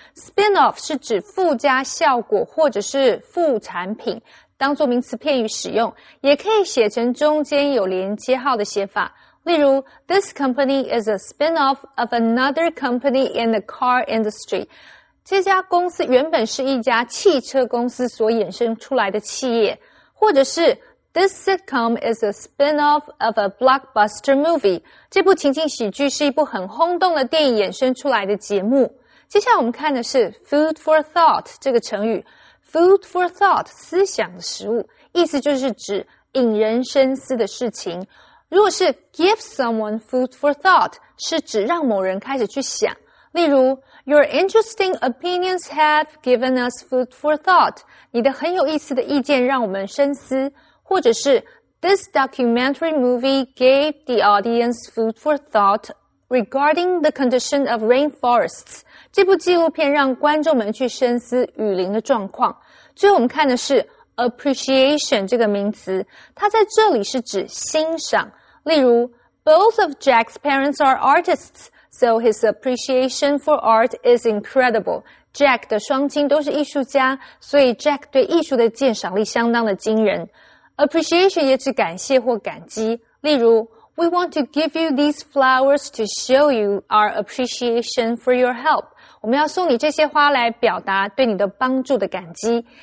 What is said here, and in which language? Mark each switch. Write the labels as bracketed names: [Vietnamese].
[Chinese] spin off 是指附加效果或者是副产品，当作名词片语使用，也可以写成中间有连接号的写法。例如 [English] ,this company is a spin off of another company in the car industry。 [Chinese] 这家公司原本是一家汽车公司所衍生出来的企业，或者是 [English] This sitcom is a spin-off of a blockbuster movie. [Chinese] 这部情景喜剧是一部很轰动的电影衍生出来的节目。接下来我们看的是 food for thought 这个成语。food for thought, 思想的食物，意思就是指引人深思的事情。如果是 give someone food for thought, 是指让某人开始去想。例如 [English] ,your interesting opinions have given us food for thought. [Chinese] 你的很有意思的意见让我们深思。或者是 [English] This documentary movie gave the audience food for thought regarding the condition of rainforests. [Chinese] 这部纪录片让观众们去深思雨林的状况。最后我们看的是 appreciation 这个名词，它在这里是指欣赏。例如 [English] Both of Jack's parents are artists, so his appreciation for art is incredible. [Chinese] Jack 的双亲都是艺术家，所以 Jack 对艺术的鉴赏力相当的惊人。 [English] Appreciation [Chinese] 也指感谢或感激，例如 [English] We want to give you these flowers to show you our appreciation for your help. [Chinese] 我们要送你这些花来表达对你的帮助的感激。